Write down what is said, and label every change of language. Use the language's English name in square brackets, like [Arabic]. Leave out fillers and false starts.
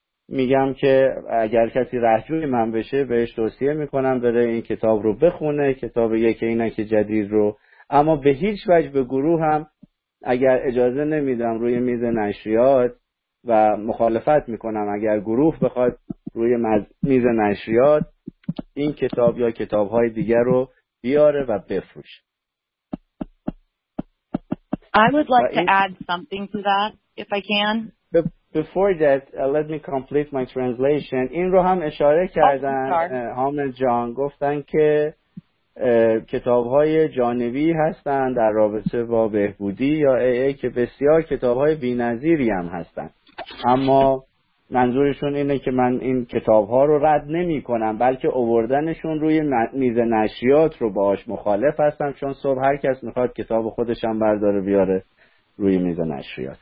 [Persian] میگم که اگر کسی رهجوی من بشه بهش توصیه میکنم بره این کتاب رو بخونه، کتاب یک عینک جدید رو، اما به هیچ وجه به گروه هم اگر اجازه نمیدم روی میز نشریات و مخالفت میکنم اگر گروه بخواد روی میز نشریات این کتاب یا کتابهای دیگر رو بیاره و بفروش. [English] I would like to add something to that if I can. Before that, let me complete my translation. [Persian] این رو هم اشاره کردن حامد جان، گفتن که کتابهای جانبی هستن در رابطه با بهبودی یا AA که بسیار کتابهای بی نظیری هم هستن، اما منظورشون اینه که من این کتاب‌ها رو رد نمی‌کنم، بلکه اووردنشون روی میز نشریات رو باهاش مخالف هستم، چون صبح هر کس می‌خواد کتاب خودش هم برداره بیاره روی میز نشریات.